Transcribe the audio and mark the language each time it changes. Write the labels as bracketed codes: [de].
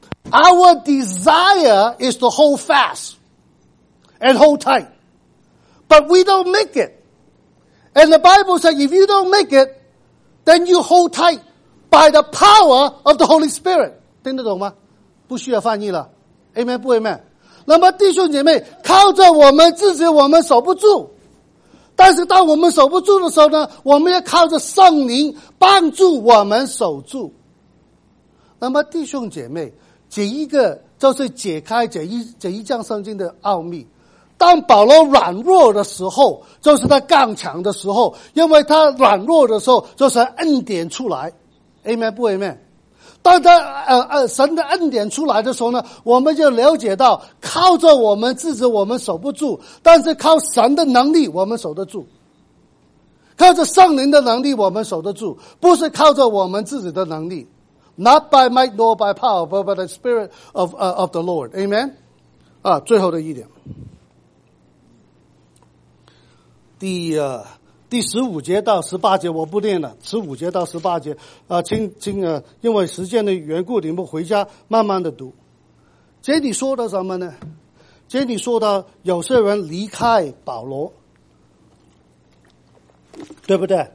[en] Our desire is to hold fast and hold tight. But we don't make it. And the Bible says if you don't make it, then you hold tight by the power of the Holy Spirit. [zh] 听得懂吗？不需要翻译了。Amen, 不 Amen? 那么弟兄姐妹，靠着我们自己我们守不住。但是当我们守不住的时候呢，我们要靠着圣灵帮助我们守住。那么弟兄姐妹，这一个就是解开这一章圣经的奥秘。当保罗软弱的时候，就是他刚强的时候，因为他软弱的时候就是恩典出来。 Amen 不 Amen？当他神的恩典出来的时候呢，我们就了解到靠着我们自己我们守不住，但是靠神的能力我们守得住，靠着圣灵的能力我们守得住，不是靠着我们自己的能力。 [en] Not by might nor by power but by the spirit of the Lord. Amen。 [zh] 啊，最后的一点，第十五节到十八节我不念了，十五节到十八节因为时间的缘故，你们回家慢慢的读。这里说到什么呢？这里说到有些人离开保罗，对不对？